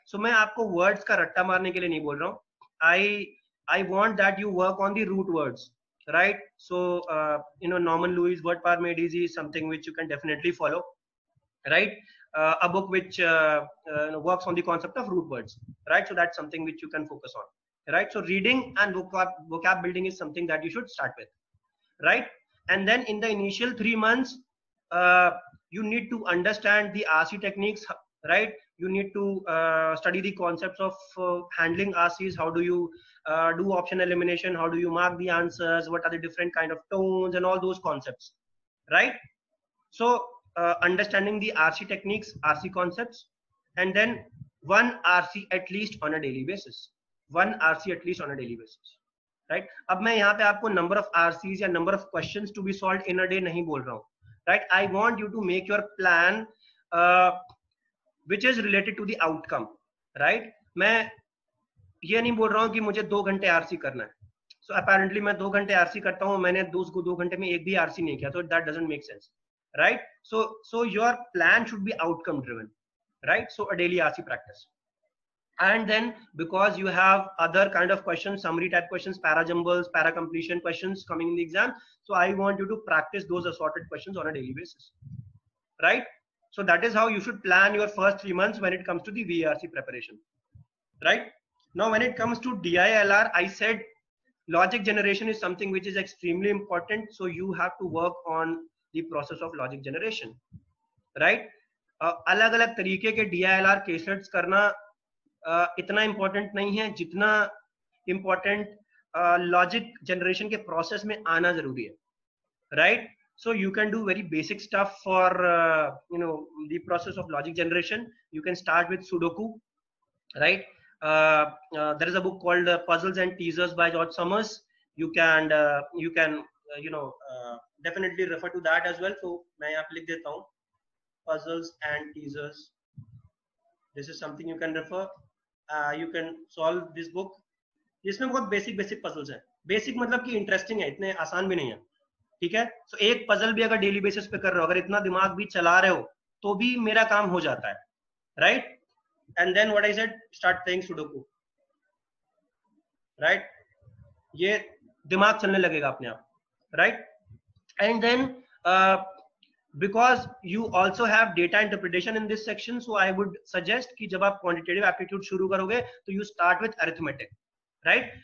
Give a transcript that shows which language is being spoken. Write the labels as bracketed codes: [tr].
[hi] सो मैं आपको वर्ड्स का रट्टा मारने के लिए नहीं बोल रहा हूँ, [en] I want that you work on the root words, [hi] right. [en] So you know Norman Lewis word power made is something which you can definitely follow, right. A book which works on the concept of root words, right. So that's something which you can focus on, right? So reading and vocab building is something that you should start with, right? And then in the initial 3 months, you need to understand the RC techniques, right? You need to study the concepts of handling RCs. How do you do option elimination? How do you mark the answers? What are the different kind of tones and all those concepts, right? So understanding the RC techniques, RC concepts, and then one RC at least on a daily basis. 1 RC at least on a daily basis, right right? [hi] अब मैं यहाँ पे आपको [en] number of RCs या number of questions to be solve in a day [hi] नहीं बोल रहा हूँ, [en] Right? I want you to make your plan which is related to the outcome, right? [hi] मैं ये नहीं बोल रहा हूँ कि मुझे 2 घंटे आरसी करना है. सो अपेरेंटली मैं 2 घंटे आरसी करता हूँ, मैंने 2 घंटे में एक भी आरसी नहीं किया, तो [en] that doesn't make sense, [hi] right? [en] So your plan should be outcome driven, right? So a daily RC practice. And then, because you have other kind of questions, summary type questions, para jumbles, para completion questions coming in the exam, so I want you to practice those assorted questions on a daily basis, right? So that is how you should plan your first 3 months when it comes to the VARC preparation, right? Now, when it comes to DILR, I said logic generation is something which is extremely important, so you have to work on the process of logic generation, right? [hi] अलग अलग तरीके के DILR caselets करना इतना important नहीं है जितना important logic generation के प्रोसेस में आना जरूरी है, right? [en] So you can do very basic stuff for you know the process of logic generation. You can start with sudoku, right? There is a book called puzzles and teasers by George Summers. You can you know definitely refer to that as well. [hi] सो मैं यहाँ पे लिख देता हूँ puzzles and teasers. [en] This is something you can refer. You can solve this book. [hi] इसमें बहुत basic puzzles हैं. Basic मतलब कि interesting है, इतने आसान भी नहीं है, ठीक है? So एक puzzle भी अगर daily basis पे कर रहे हो, अगर इतना दिमाग भी चला रहे हो, तो भी मेरा काम हो जाता है, right? [en] And then what I said, start playing Sudoku, right? [hi] ये दिमाग चलने लगेगा अपने आप, right? [en] And then because you also have data interpretation in this section, so I would suggest [hi] ki jab aap quantitative aptitude shuru karoge [en] to you start with arithmetic, right?